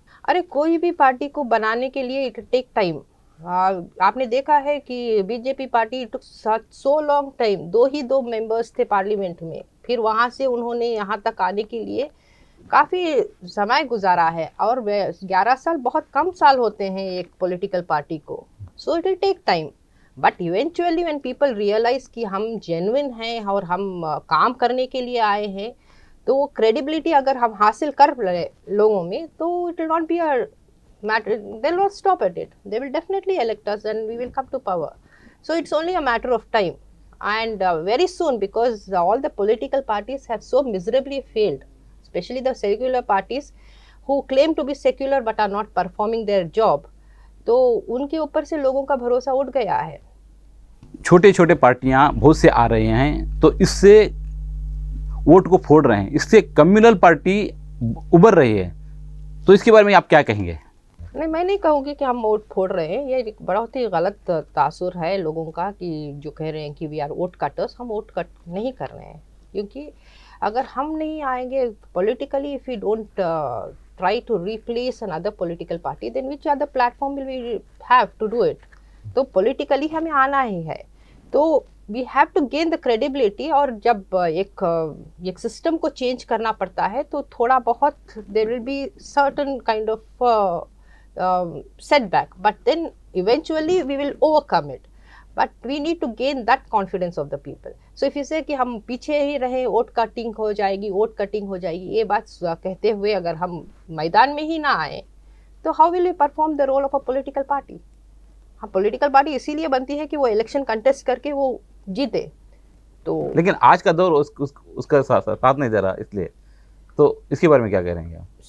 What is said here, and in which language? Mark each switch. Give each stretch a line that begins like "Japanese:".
Hindi: अरे कोई भी पार्टी को बनाने के लिए
English: It take time.
Hindi: आपने देखा है कि बीजेपी पार्टी
English: took so long time,
Hindi: दो ही दो मेंबर्स थे पार्लियामेंट में, फिर वहाँ से उन्होंने यहाँ तक आने के लिए काफ़ी समय गुजारा है और 11 साल बहुत कम साल होते हैं एक पॉलिटिकल पार्टी को।
English: so it will take time but eventually when people realise
Hindi: कि हम जेन्युइन हैं और हम काम करने के लिए आए हैं तो वो क्रेडिबिलिटी अगर हम हासिल कर रहे लोगों में तो
English: It will not be a matter, they will not stop at it. They will definitely elect us and we will come to power. So it's only a matter of time. And very soon, because all the political parties have so miserably failed, especially the secular parties who claim to be secular but are not performing their job,
Hindi: तो उनके ऊपर से लोगों का भरोसा उठ गया है। छोटे छोटे पार्टियाँ बहुत से आ रहे हैं तो इससे वोट को फोड़ रहे हैं, इससे कम्युनल पार्टी उभर रही है, तो इसके बारे में आप क्या कहेंगे? नहीं, मैं नहीं कहूँगी कि हम वोट फोड़ रहे हैं। ये एक बहुत ही गलत तासुर है लोगों का कि जो कह रहे हैं कि
English: We are vote cutters.
Hindi: हम वोट कट नहीं कर रहे हैं क्योंकि अगर हम नहीं आएंगे politically,
English: If you don't try to replace another political party then which other platform will we have to do it.
Hindi: तो पॉलिटिकली हमें आना ही है तो
English: We have to gain the credibility.
Hindi: और जब एक सिस्टम को चेंज करना पड़ता है तो थोड़ा बहुत there
English: Will be certain kind of setback, but then eventually we will overcome it. But we need to gain that confidence of the people. So if you say
Hindi: कि हम पीछे ही रहें, vote cutting हो जाएगी, ये बात कहते हुए अगर हम मैदान में ही ना आए तो
English: how will we perform the role of a political party?
Hindi: हाँ, political party इसीलिए बनती है कि वो election contest करके वो जीते। तो लेकिन आज का दौर उसका साथ नहीं दे रहा, इसलिए तो इसके बारे में क्या कह रहे हैं?